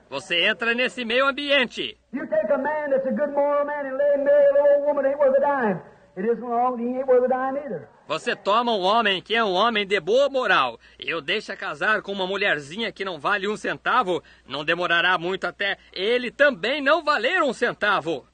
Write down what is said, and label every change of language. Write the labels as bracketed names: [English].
[Portuguese] Você entra nesse meio ambiente. [English] You take a man that's a good moral man and let him marry a little woman ain't worth a dime. It isn't long, he ain't worth a dime either. [Portuguese] Você toma um homem que é um homem de boa moral e o deixa casar com uma mulherzinha que não vale um centavo, não demorará muito até ele também não valer um centavo.